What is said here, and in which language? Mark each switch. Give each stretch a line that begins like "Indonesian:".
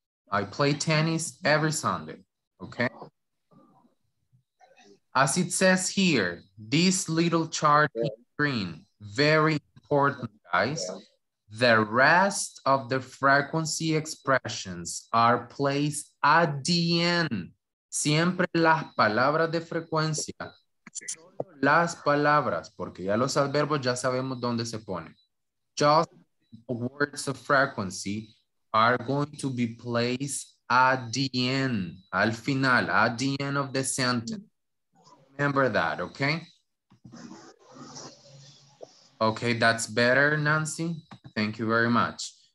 English: I play tennis every Sunday, okay? As it says here, this little chart in green, very important, guys. The rest of the frequency expressions are placed at the end.
Spanish: Siempre las palabras de frecuencia, solo las palabras, porque ya los adverbios ya sabemos dónde se ponen.
English: Just words of frequency are going to be placed at the end,
Spanish: al final,
English: at the end of the sentence. Remember that, okay? Okay, that's better, Nancy. Thank you very much.